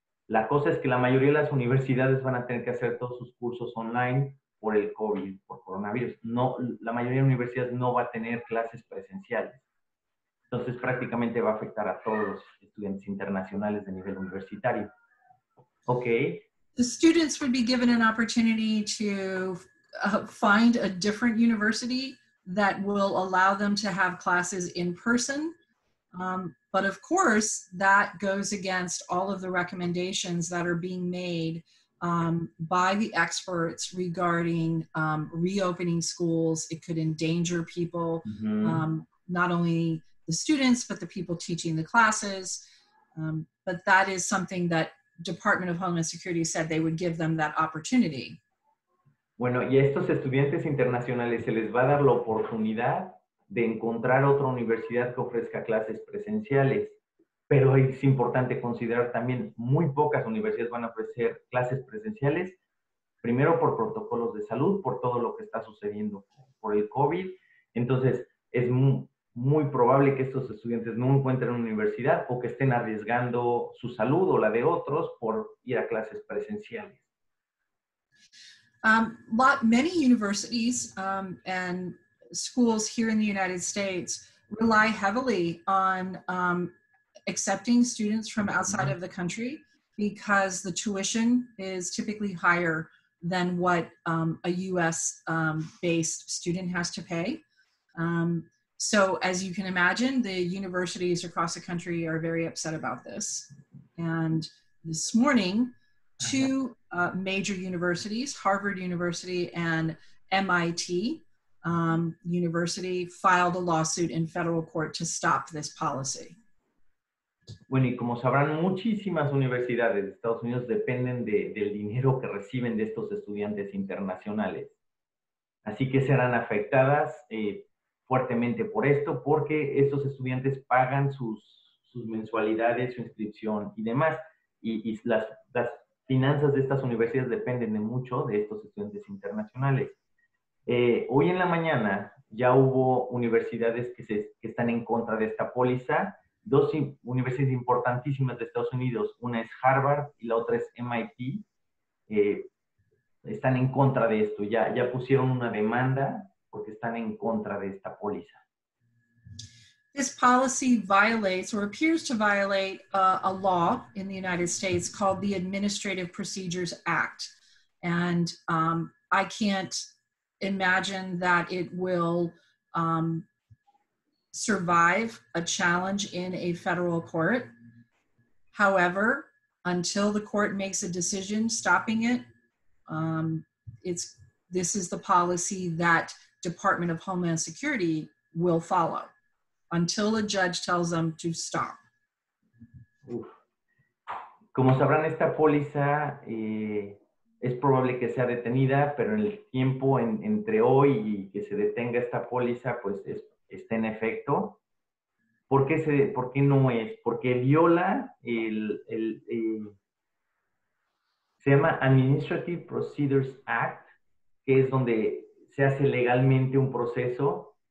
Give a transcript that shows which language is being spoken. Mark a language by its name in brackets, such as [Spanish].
[Spanish] La cosa es que la mayoría de las universidades van a tener que hacer todos sus cursos online por el COVID, por coronavirus. No, la mayoría de universidades no va a tener clases presenciales. Entonces, prácticamente va a afectar a todos los estudiantes internacionales de nivel universitario. Ok. [English] The students would be given an opportunity to find a different university that will allow them to have classes in person. But of course, that goes against all of the recommendations that are being made by the experts regarding reopening schools. It could endanger people, not only the students, but the people teaching the classes. But that is something that Department of Homeland Security said they would give them that opportunity. [Spanish] Bueno, y a estos estudiantes internacionales se les va a dar la oportunidad de encontrar otra universidad que ofrezca clases presenciales. Pero es importante considerar también, muy pocas universidades van a ofrecer clases presenciales, primero por protocolos de salud, por todo lo que está sucediendo por el COVID. Entonces, es muy, muy probable que estos estudiantes no encuentren una universidad o que estén arriesgando su salud o la de otros por ir a clases presenciales. [English] Many universities and schools here in the United States rely heavily on accepting students from outside of the country because the tuition is typically higher than what a U.S. Based student has to pay. So as you can imagine, the universities across the country are very upset about this. And this morning, two major universities, Harvard University and MIT University, filed a lawsuit in federal court to stop this policy. [Spanish] Bueno, y como sabrán, muchísimas universidades de Estados Unidos dependen del dinero que reciben de estos estudiantes internacionales. Así que serán afectadas fuertemente por esto, porque estos estudiantes pagan sus mensualidades, su inscripción y demás. Y las finanzas de estas universidades dependen de mucho de estos estudiantes internacionales. Hoy en la mañana ya hubo universidades que están en contra de esta póliza. Dos universidades importantísimas de Estados Unidos, una es Harvard y la otra es MIT, están en contra de esto. Ya pusieron una demanda porque están en contra de esta póliza. [English] This policy violates or appears to violate a law in the United States called the Administrative Procedures Act. And I can't imagine that it will survive a challenge in a federal court. However, until the court makes a decision stopping it, this is the policy that Department of Homeland Security will follow until a judge tells them to stop. [Spanish] Como sabrán, esta póliza es probable que sea detenida, pero en el tiempo entre hoy y que se detenga esta póliza, pues está en efecto. ¿Por qué no es? Porque viola se llama Administrative Procedures Act, que es donde se hace legalmente un proceso.